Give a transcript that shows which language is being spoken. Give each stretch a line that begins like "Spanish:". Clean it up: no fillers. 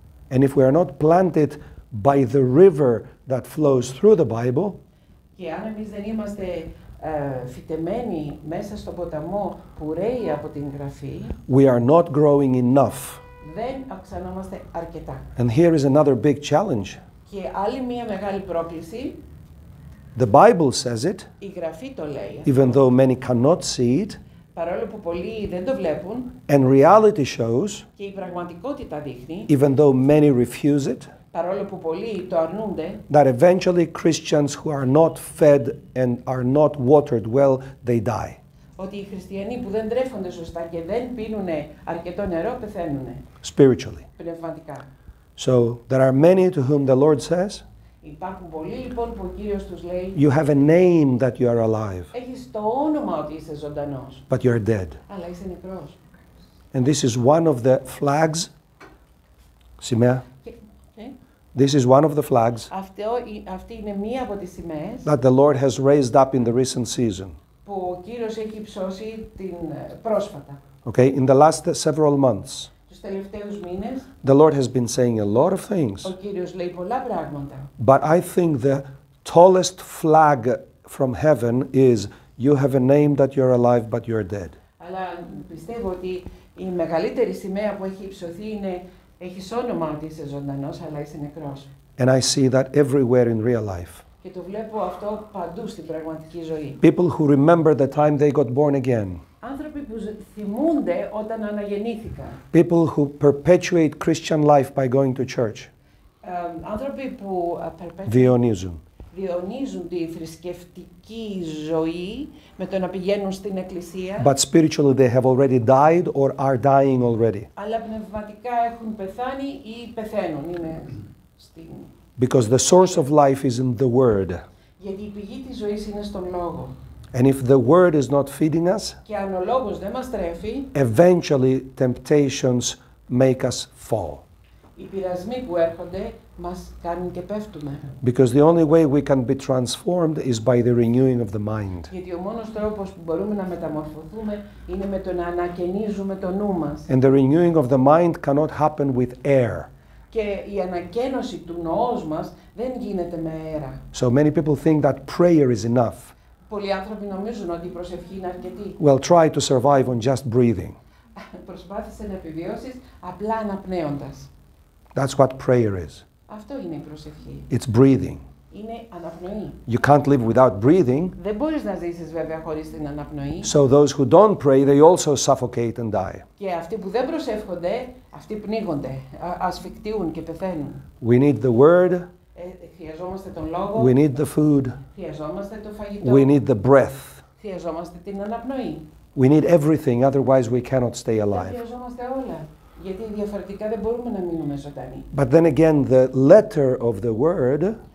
English: And if we are not planted by the river that flows through the Bible.
Greek: Και αν εμείς δεν είμαστε φυτεμένοι μέσα στον ποταμό που ρέει από την Γραφή.
English: We are not growing enough.
Greek: Δεν αυξανόμαστε αρκετά.
English: And here is another big challenge.
Greek: Και άλλη μια μεγάλη πρόκληση.
English: The Bible says it.
Greek: Η Γραφή το λέει.
English: Even though many cannot see it.
Greek: Παρόλο που πολλοί δεν το βλέπουν.
English: And reality shows.
Greek: Και η πραγματικότητα δείχνει.
English: Even though many refuse it.
Greek: Παρόλο που πολλοί το αρνούνται.
English: That eventually Christians who are not fed and are not watered well, they die.
Greek: Ότι οι χριστιανοί που δεν τρέφονται σωστά και δεν πίνουν αρκετό νερό πεθαίνουν.
English: Spiritually.
Greek: Πνευματικά.
English: So there are many to whom the Lord says.
Greek: Υπάρχουν πολλοί λοιπόν που ο Κύριος τους λέει.
English: You have a name that you are alive.
Greek: Έχεις το όνομα ότι είσαι ζωντανός.
English: But you are dead.
Greek: Αλλά είσαι νεκρός.
English: And this is one of the flags.
Greek: Σημαία.
English: This is one of the flags.
Greek: Αυτή είναι μία από τις σημαίες.
English: That the Lord has raised up in the recent season.
Greek: Που ο Κύριος έχει ψώσει την πρόσφατα.
English: Okay, in the last several months.
Greek: Τους τελευταίους μήνες.
English: The Lord has been saying a lot of things.
Greek: Ο Κύριος λέει πολλά πράγματα.
English: But I think the tallest flag from heaven is you have a name that you're alive but you're dead.
Greek: Αλλά πιστεύω ότι η μεγαλύτερη σημαία που έχει ψωθεί είναι έχεις όνομα ότι είσαι ζωντανός αλλά είσαι νεκρός.
English: And I see that everywhere in real life.
Greek: Και το βλέπω αυτό παντού στην πραγματική ζωή.
English: People who remember the time they got born again.
Greek: Άνθρωποι που θυμούνται όταν αναγεννήθηκαν.
English: People who perpetuate Christian life by going to church.
Greek: Άνθρωποι που διονύζουν. Διονύζουν τη θρησκευτική ζωή με το να πηγαίνουν στην εκκλησία.
English: But spiritually they have already died or are dying already.
Greek: Αλλά πνευματικά έχουν πεθάνει ή πεθαίνουν. Είναι στην.
English: Because the source of life is in the Word.
Greek: Γιατί η πηγή της ζωής είναι στον Λόγο.
English: And if the Word is not feeding us,
Greek: και αν ο Λόγος δεν μας τρέφει,
English: eventually temptations make us fall.
Greek: Οι πειρασμοί που έρχονται μας κάνουν και πέφτουμε.
English: Because the only way we can be transformed is by the renewing of the mind.
Greek: Γιατί ο μόνος τρόπος που μπορούμε να μεταμορφωθούμε είναι με το να ανακαινίζουμε το νου μας.
English: And the renewing of the mind cannot happen with air.
Greek: Και η ανακαίνωση του νοός μας δεν γίνεται με αέρα.
English: So many people think that prayer is enough.
Greek: Πολλοί άνθρωποι νομίζουν ότι η προσευχή είναι αρκετή.
English: Well, try to survive on just breathing.
Greek: Προσπάθησε να επιβιώσεις απλά αναπνέοντας.
English: That's what prayer is.
Greek: Αυτό είναι η προσευχή.
English: It's breathing.
Greek: Είναι αναπνοή.
English: You can't live without breathing.
Greek: Δεν μπορείς να ζήσεις βέβαια χωρίς την αναπνοή.
English: So those who don't pray, they also suffocate and die.
Greek: Και αυτοί που δεν προσεύχονται, αυτοί πνίγονται, ασφυκτίουν και πεθαίνουν.
English: We need the word.
Greek: Χρειαζόμαστε τον λόγο.
English: We need the food.
Greek: Χρειαζόμαστε το φαγητό.
English: We need the breath.
Greek: Χρειαζόμαστε την αναπνοή.
English: We need everything, otherwise we cannot stay alive.
Greek: Χρειαζόμαστε όλα. Γιατί διαφορετικά δεν μπορούμε να μείνουμε ζωντανοί.
English: But then again, the letter of the word.